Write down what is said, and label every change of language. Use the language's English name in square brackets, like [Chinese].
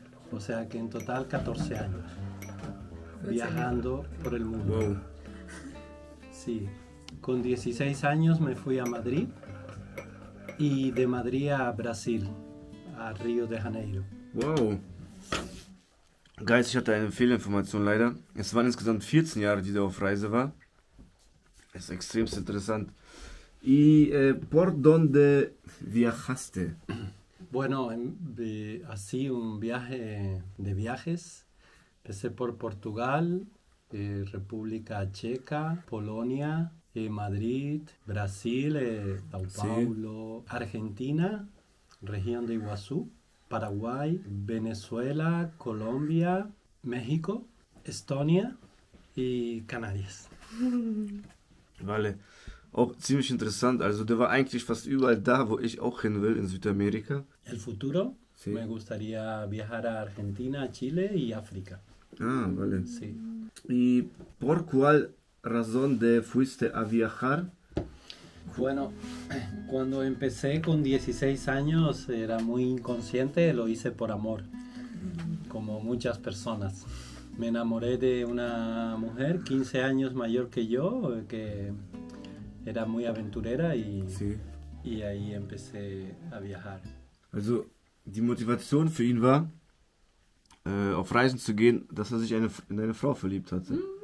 [Spanish] O sea que en total 14 años viajando por el mundo. Wow. Sí, con 16 años me fui a Madrid y de Madrid a Brasil, a Río de Janeiro. Wow. [German] Geist, ich hatte eine Fehlinformation leider. Es waren insgesamt 14 Jahre, die du auf Reise war. Es ist extremst interessant. [Spanish] Y por dónde viajaste? Bueno, así un viaje de viajes. Empecé por Portugal, República Checa, Polonia, Madrid, Brasil, São Sí. Paulo, Argentina, región de Iguazú, Paraguay, Venezuela, Colombia, México, Estonia y Canarias. Vale, [German] auch ziemlich interessant. Also der war eigentlich fast überall da, wo ich auch hin will, in Südamerika. [Spanish] El futuro, me Sí. gustaría viajar a Argentina, Chile y África. Vale. Sí. ¿Y por cuál razón te fuiste a viajar? Bueno, cuando empecé con 16 años era muy inconsciente, lo hice por amor, como muchas personas. Me enamoré de una mujer 15 años mayor que yo, que era muy aventurera Sí. y ahí empecé a viajar. [German] Also, die Motivation für ihn war, auf Reisen zu gehen, dass er sich in eine Frau verliebt hatte.